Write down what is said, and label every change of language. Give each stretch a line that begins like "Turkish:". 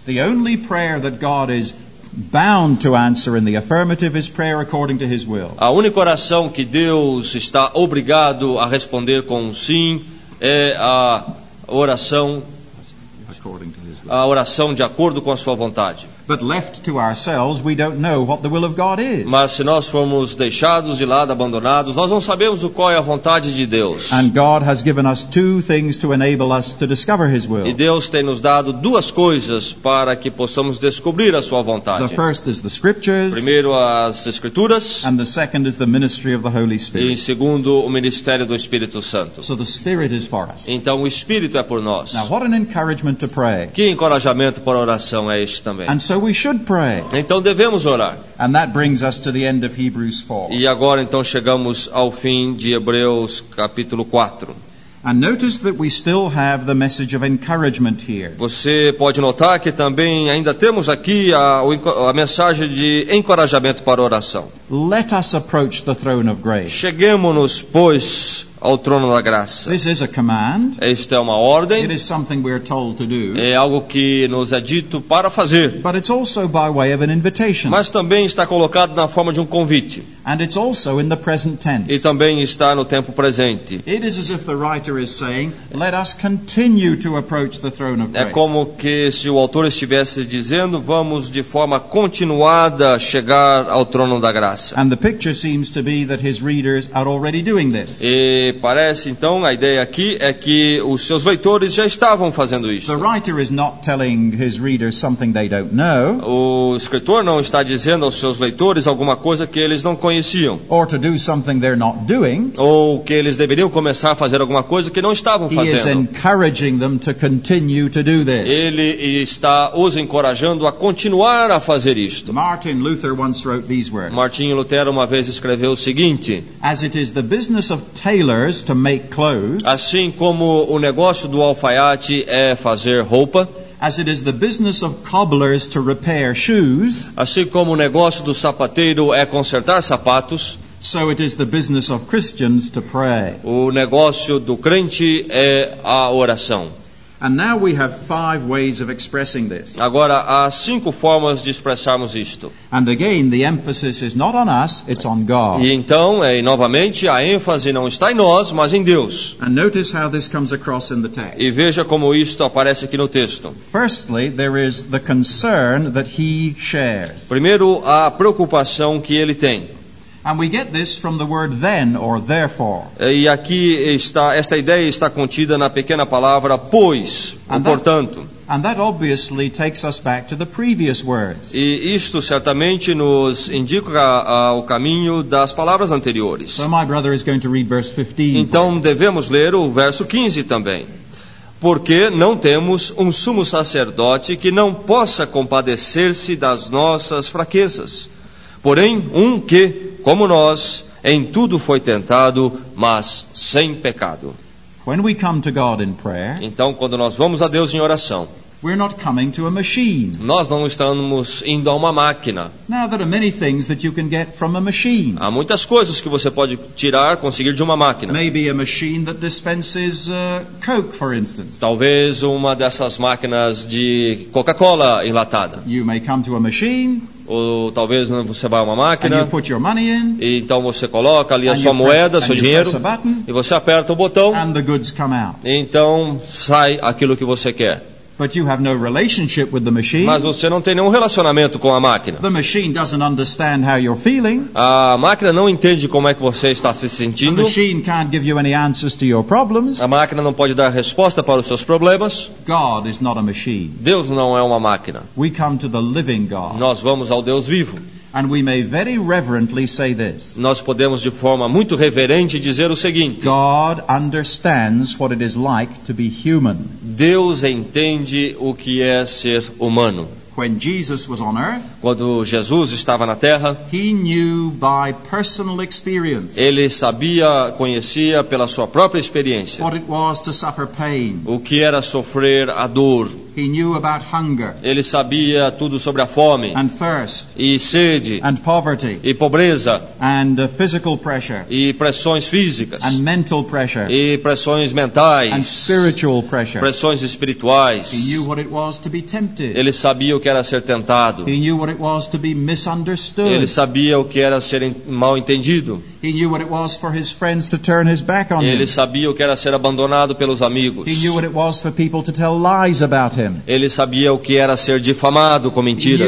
English: The only prayer that God is bound to answer in the affirmative is prayer according to his will.
Portuguese: A única oração que Deus está obrigado a responder com sim é a oração
English: according to his will.
Portuguese: A oração de acordo com a sua vontade.
English: But left to ourselves, we don't know what the will of God is.
Portuguese: Mas se nós formos deixados de lado, abandonados, nós não sabemos o qual é a vontade de Deus.
English: And God has given us two things to enable us to discover his will.
Portuguese: E Deus tem nos dado duas coisas para que possamos descobrir a sua vontade.
English: The first is the scriptures.
Portuguese: Primeiro as escrituras.
English: And the second is the ministry of the Holy Spirit.
Portuguese: E em segundo o ministério do Espírito Santo.
English: So the Spirit is for us.
Portuguese: Então o Espírito é por nós.
English: Now what an encouragement to pray.
Portuguese: Que encorajamento para oração é este também.
English: And so we should pray.
Portuguese: Então devemos orar.
English: And that brings us to the end of Hebrews 4.
Portuguese: E agora então chegamos ao fim de Hebreus capítulo 4.
English: And notice that we still have the message of encouragement here.
Portuguese: Você pode notar que também ainda temos aqui a mensagem de encorajamento para oração.
English: Let us approach the throne of grace.
Portuguese: Cheguemo-nos, pois, ao trono da graça.
English: This is a command.
Portuguese: Isto é uma ordem.
English: It is something we are told to do.
Portuguese: É algo que nos é dito para fazer.
English: But it's also by way of an invitation.
Portuguese: Mas também está colocado na forma de um convite.
English: And it's also in the present tense.
Portuguese: E também está no tempo presente.
English: It is as if the writer is saying, let us continue to approach the throne of grace.
Portuguese: É como que se o autor estivesse dizendo, vamos de forma continuada chegar ao trono da graça.
English: And the picture seems to be that his readers are already doing this.
Portuguese: E parece então, a ideia aqui é que os seus leitores já estavam fazendo isso.
English: The writer is not telling his readers something they don't know.
Portuguese: O escritor não está dizendo aos seus leitores alguma coisa que eles não conheciam.
English: Or to do something they're not doing.
Portuguese: Ou que eles deveriam começar a fazer alguma coisa que não estavam fazendo.
English: He is encouraging them to continue to do this.
Portuguese: Ele está os encorajando a continuar a fazer isto.
English: Martin Luther once wrote these words.
Portuguese: Martinho Lutero uma vez escreveu o seguinte:
English: As it is the business of tailors to make clothes.
Portuguese: Assim como o negócio do alfaiate é fazer roupa.
English: As it is the business of cobblers to repair shoes.
Portuguese: Assim como o negócio do sapateiro é consertar sapatos.
English: So it is the business of Christians to pray.
Portuguese: O negócio do crente é a oração.
English: And now we have five ways of expressing this.
Portuguese: Agora há cinco formas de expressarmos isto.
English: And again, the emphasis is not on us, it's on God.
Portuguese: E então, novamente, a ênfase não está em nós, mas em Deus.
English: And notice how this comes across in the text.
Portuguese: E veja como isto aparece aqui no texto.
English: Firstly, there is the concern that he shares.
Portuguese: Primeiro, a preocupação que ele tem.
English: And we get this from the word then or therefore.
Portuguese: E aqui está, esta ideia está contida na pequena palavra pois, ou portanto.
English: And that obviously takes us back to the previous words.
Portuguese: E isto certamente nos indica o caminho das palavras anteriores.
English: So my brother is going to read verse 15.
Portuguese: Então devemos ler o verso 15 também. Porque não temos um sumo sacerdote que não possa compadecer-se das nossas fraquezas. Porém, um que, como nós, em tudo foi tentado, mas sem pecado.
English: When we come to God in prayer,
Portuguese: então, quando nós vamos a Deus em oração,
English: we're not coming to a machine.
Portuguese: Nós não estamos indo a uma máquina.
English: Now, there are many things that you can get from a machine.
Portuguese: Há muitas coisas que você pode tirar, conseguir de uma máquina.
English: Maybe a machine that dispenses Coke, for instance.
Portuguese: Talvez uma dessas máquinas de Coca-Cola enlatada.
English: You may come to a machine.
Portuguese: Ou talvez você vá a uma máquina
English: in,
Portuguese: e então você coloca ali a sua moeda, seu dinheiro,
English: button,
Portuguese: e você aperta o botão e então sai aquilo que você quer.
English: But you have no relationship with the machine.
Portuguese: Mas você não tem nenhum relacionamento com a máquina.
English: The machine doesn't understand how you're feeling.
Portuguese: A máquina não entende como é que você está se sentindo.
English: The machine can't give you any answers to your problems.
Portuguese: A máquina não pode dar resposta para os seus problemas.
English: God is not a machine.
Portuguese: Deus não é uma máquina.
English: We come to the living God.
Portuguese: Nós vamos ao Deus vivo.
English: And we may very reverently say this.
Portuguese: Nós podemos de forma muito reverente dizer o seguinte.
English: God understands what it is like to be human.
Portuguese: Deus entende o que é ser humano.
English: When Jesus was on earth,
Portuguese: quando Jesus estava na terra,
English: he knew by personal experience.
Portuguese: Ele sabia, conhecia pela sua própria experiência.
English: What it was to suffer pain.
Portuguese: O que era sofrer a dor.
English: He knew about hunger.
Portuguese: Ele sabia tudo sobre a fome.
English: And thirst.
Portuguese: E sede.
English: And poverty.
Portuguese: E pobreza.
English: And physical pressure.
Portuguese: E pressões físicas.
English: And mental pressure.
Portuguese: E pressões mentais.
English: And spiritual pressure.
Portuguese: Pressões espirituais.
English: He knew what it was to be tempted.
Portuguese: Ele sabia o que era ser tentado.
English: He knew what it was to be misunderstood.
Portuguese: Ele sabia o que era ser mal entendido.
English: He knew what it was for his friends to turn his back on him.
Portuguese: Ele sabia o que era ser abandonado pelos amigos.
English: He knew what it was for people to tell lies about him.
Portuguese: Ele sabia o que era ser difamado com mentiras.